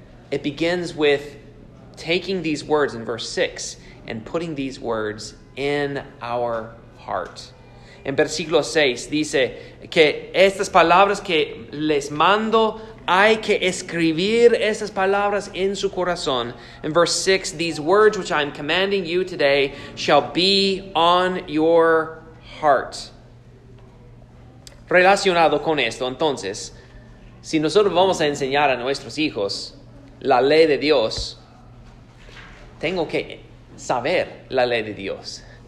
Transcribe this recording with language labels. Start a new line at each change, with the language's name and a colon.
English: It begins with taking these words in verse 6 and putting these words in our heart.
Spanish: En versículo 6 dice que estas palabras que les mando, hay que escribir estas palabras en su corazón.
English: In verse 6, these words which I am commanding you today shall be on your heart.
Spanish: Relacionado con esto, entonces, si nosotros vamos a enseñar a nuestros hijos la ley de Dios, tengo que saber la ley de Dios.